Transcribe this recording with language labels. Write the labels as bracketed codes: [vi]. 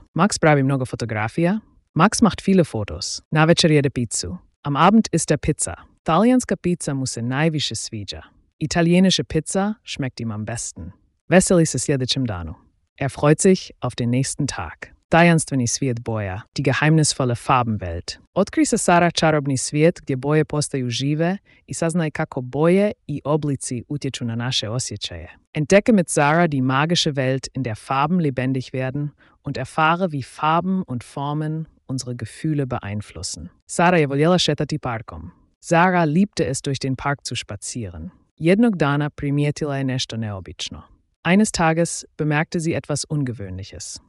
[hr] Max pravi mnogo fotografija. [de] Max macht viele Fotos. [hr] Na večer jede pizzu. [de] Am Abend isst er Pizza. [hr] Italijanska pizza mu se najviše sviđa. [de] Italienische Pizza schmeckt ihm am besten. [hr] Veseli se sljedećem danu. [de] Er freut sich auf den nächsten Tag. [hr] Tajanstveni svijet boja, [de] die geheimnisvolle Farbenwelt. [hr] Otkri se Sara čarobni svijet gdje boje postaju žive i saznaj kako boje i oblici utječu na naše osjećaje. [de] Entdecke mit Sara die magische Welt, in der Farben lebendig werden und erfahre, wie Farben und Formen unsere Gefühle beeinflussen. [hr] Sara je voljela šetati parkom. [de] Sara liebte es, durch den Park zu spazieren. [hr] Jednog dana primijetila je nešto neobično. [de] Eines Tages bemerkte sie etwas Ungewöhnliches.